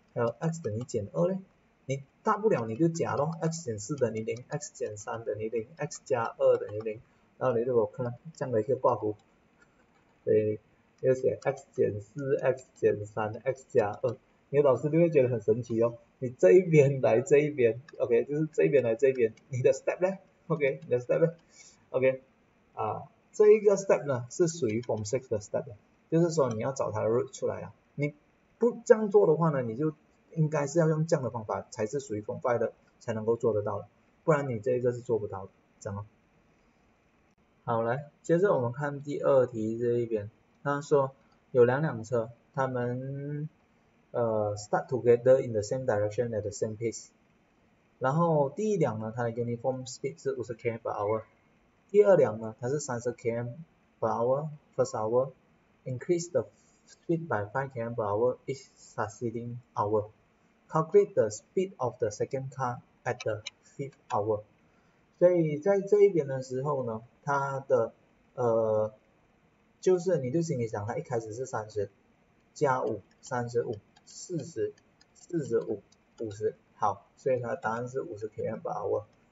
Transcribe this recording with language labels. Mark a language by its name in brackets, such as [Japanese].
[Chinese] 还有 x 等于减二嘞，你大不了你就加咯，x 减四等于零，x 减三等于零，x 加二等于零，然后你就我看这样的一个挂符，对，又写 x 减四，x 减三，x 加二，你的老师就会觉得很神奇哦，你这一边来这一边，OK，就是这一边来这一边，你的 step 呢，OK，你的 step 呢，OK，这一个 step 呢是属于 form six 的 step，就是说你要找它的 root 出来啊，你不这样做的话呢，你就应该是要用这样的方法才是属于 form five 的，才能够做得到的，不然你这一个是做不到的，怎么？好，来，接着我们看第二题这一边，他说有两辆车，他们 [English] start together in the same direction at the same pace， [Chinese] 然后第一辆呢，它的 uniform speed 是50 km per hour，第二辆呢，它是30 km per hour [English] first hour increase the speed by 5 km per hour each succeeding hour。 Calculate the speed of the second car at the fifth hour。 [Chinese] 所以在这一边的时候呢，它的就是你就心里想，它一开始是三十加五，三十五，四十五，五十，好，所以它答案是50 km per hour。